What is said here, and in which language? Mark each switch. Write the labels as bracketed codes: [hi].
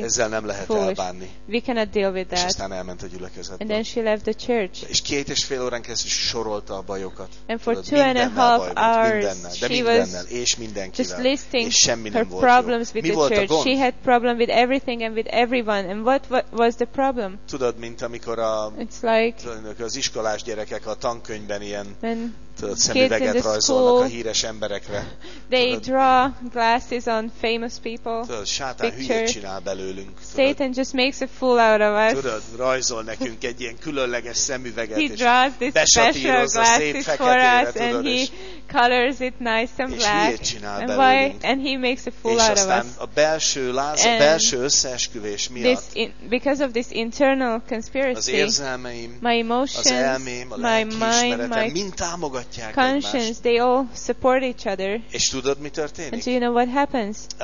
[hu] Ezzel nem lehet elbánni. [en] We cannot deal with that. [hu] És aztán elment a gyülekezetbe. [en] And then she left the church. [hu] És két és fél órán keresztül sorolta a bajokat. [en] And for 2.5 hours, she was just listing her problems with the church. [hu] Mi volt a gond? [en] She had problem with everything and with everyone. And what was the problem? [hu] Tudod, mint amikor az iskolás gyerekek a tankönyvben ilyen. Tudod, szemüveget rajzolnak a híres emberekre. [en] They draw glasses on famous people. [hu] Tudod, Sátán hülyét csinál belőlünk. [en] Satan just makes a fool out of us. [hu] Tudod, rajzol nekünk egy ilyen különleges szemüveget. [en] He draws this special glasses for us and he colors it nice and black. [hu] És hülyét csinál belőlünk. [en] And he makes a fool out of us. [hu] És aztán a belső belső összeesküvés miatt. [en] Because of this internal conspiracy. [hu] Az érzelmeim, [en] my emotions, [hu] az elmém, a lelki ismeretem, [en] my mind. Conscience, they all support each other. [hu] És tudod, mi történik? [en] And do you know what happens?